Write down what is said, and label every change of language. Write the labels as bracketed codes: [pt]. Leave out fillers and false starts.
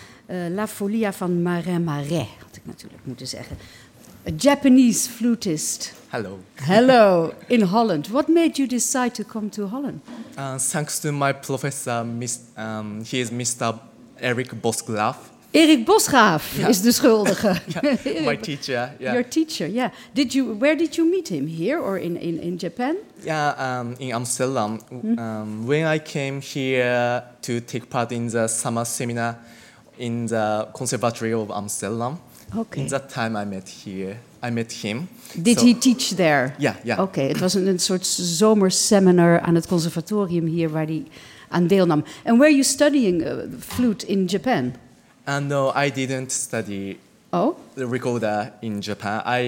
[nl] La Folia van Marin Marais, had ik natuurlijk moeten zeggen. [en] A Japanese flutist. Hello. Hello, in Holland. What made you decide to come to Holland? Thanks to my professor, he is Mr. Erik Bosgraaf. [nl] Erik Bosgraaf is de schuldige. [en] My teacher, yeah. Your teacher, yeah. Where did you meet him, here or in Japan? Yeah, in Amsterdam. Mm-hmm. When I came here to take part in the summer seminar in the Conservatory of Amsterdam, okay. In that time I met him. Did he teach there? Yeah, yeah. [nl] Okay, it was a sort of zomer seminar aan het conservatorium hier waar hij aan deelnam. [en] And where are you studying flute in Japan? No, I didn't study the recorder in Japan.